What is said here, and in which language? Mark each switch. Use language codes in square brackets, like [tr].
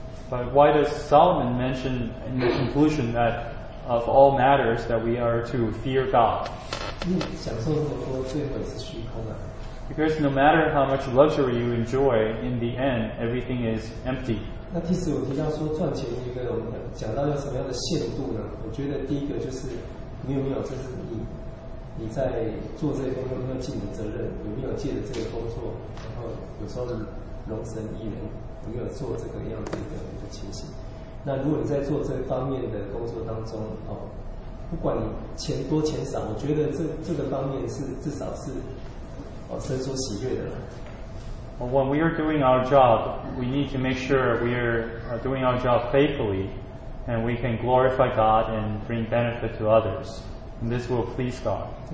[en] But why does Solomon mention in the conclusion that of all matters that we are to fear God? Because no matter how much luxury you enjoy, in the end, everything is empty. [zh] 那第四，我提到说赚钱一个，我们讲到要什么样的限度呢？我觉得第一个就是你有没有，就是你在做这个工作有没有尽你的责任，有没有借着这个工作，然后有时候容身一人，有没有做这个样子的一个情形？那如果你在做这方面的工作当中，哦，不管你钱多钱少，我觉得这个方面是至少是哦神所喜悦的了。 [en] When we are doing our job, we need to make sure we are doing our job faithfully and we can glorify God and bring benefit to others. And this will please God.